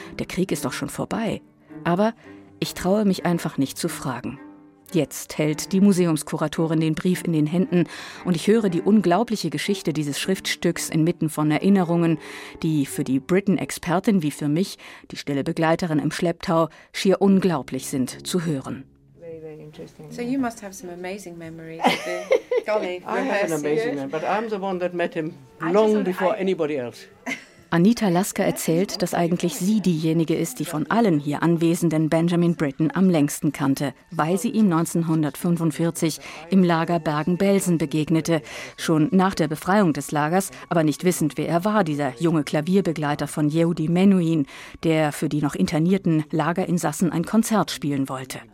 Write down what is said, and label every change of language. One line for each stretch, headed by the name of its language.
German: Der Krieg ist doch schon vorbei. Aber ich traue mich einfach nicht zu fragen. Jetzt hält die Museumskuratorin den Brief in den Händen und ich höre die unglaubliche Geschichte dieses Schriftstücks inmitten von Erinnerungen, die für die Britten-Expertin wie für mich, die stille Begleiterin im Schlepptau, schier unglaublich sind zu hören.
English: So you must have some amazing memories of the golly. I have an amazing memory, but I'm the one that met him long before anybody else.
German: Anita Lasker erzählt, dass eigentlich sie diejenige ist, die von allen hier Anwesenden Benjamin Britten am längsten kannte, weil sie ihm 1945 im Lager Bergen-Belsen begegnete. Schon nach der Befreiung des Lagers, aber nicht wissend, wer er war, dieser junge Klavierbegleiter von Yehudi Menuhin, der für die noch internierten Lagerinsassen ein Konzert spielen wollte.